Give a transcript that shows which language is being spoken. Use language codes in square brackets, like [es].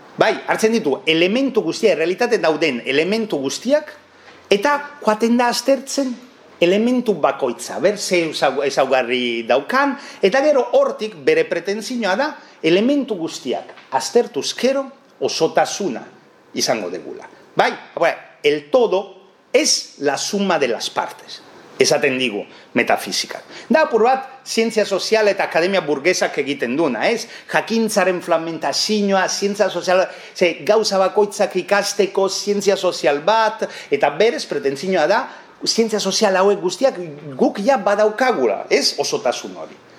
[eu] Bai, hartzen ditu elementu guztiak, realitate dauden elementu guztiak, eta joaten da aztertzen elementu bakoitza. Ber, ze ezaugarri daukan, eta gero hortik bere pretentzioa da, elementu guztiak aztertuz gero osotasuna izango degula. [es] Bai, el todo es la suma de las partes. [eu] Esaten digu, metafizika. Da, apur bat, zientzia soziala eta akademia burgesak egiten duna, ez? Jakintzaren flamentazioa, zientzia soziala, ze, gauza bakoitzak ikasteko, zientzia sozial bat, eta berez, pretentzioa da, zientzia soziala hauek guztiak guk ja badaukagula, ez? Osotasun hori.